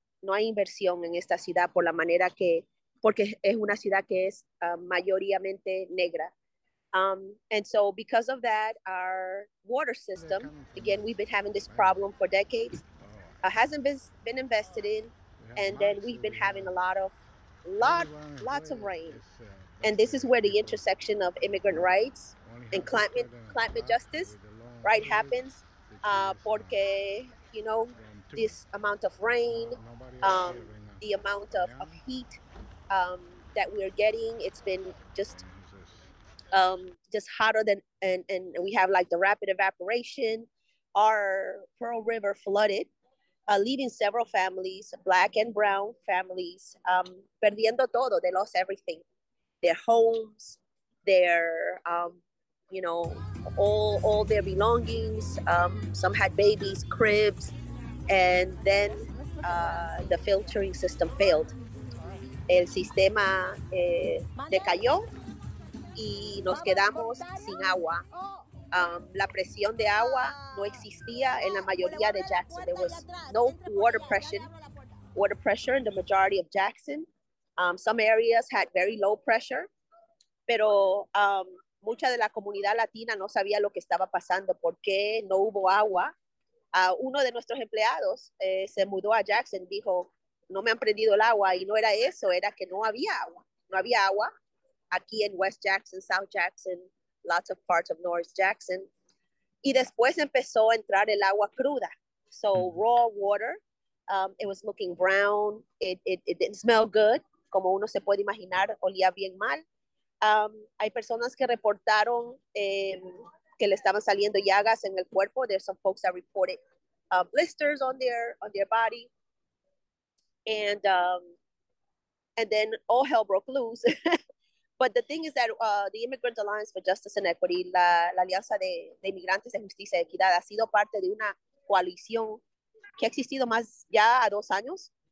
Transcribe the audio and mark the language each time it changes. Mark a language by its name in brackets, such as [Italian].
[Spanish] no hay inversión en esta ciudad por la manera que, porque es una ciudad que es mayoritariamente negra. [English] And so because of that, our water system, again, we've been having this problem for decades, hasn't been invested in, and then we've been having lots of rain. And this is where the intersection of immigrant rights and climate justice, right, happens, [Spanish] porque, [English] you know, this amount of rain, the amount of heat that we're getting, it's been just hotter than, and we have like the rapid evaporation. Our Pearl River flooded, leaving several families, black and brown families, [Spanish] perdiendo todo, [English] they lost everything. Their homes, their, you know, all their belongings. Some had babies, cribs, and then the filtering system failed. [Spanish] El sistema decayó y nos quedamos sin agua. La presión de agua no existía en la mayoría de Jackson. [English] There was no water pressure in the majority of Jackson. Some areas had very low pressure, [Spanish] pero mucha de la comunidad latina no sabía lo que estaba pasando, porque no hubo agua. Uno de nuestros empleados se mudó a Jackson, dijo, no me han prendido el agua, y no era eso, era que no había agua. No había agua aquí en West Jackson, South Jackson, [English] lots of parts of North Jackson. [Spanish] Y después empezó a entrar el agua cruda, [English] so raw water. It was looking brown, it didn't smell good. [Spanish] Como uno se puede imaginar, olía bien mal. Hay personas que reportaron que le estaban saliendo llagas en el cuerpo. [English] There's some folks that reported blisters on their body. And then all hell broke loose. But the thing is that [Spanish] the Immigrant Alliance for Justice and Equity, la Alianza de Inmigrantes de Justicia y Equidad, ha sido parte de una coalición que ha existido más ya a 2 años.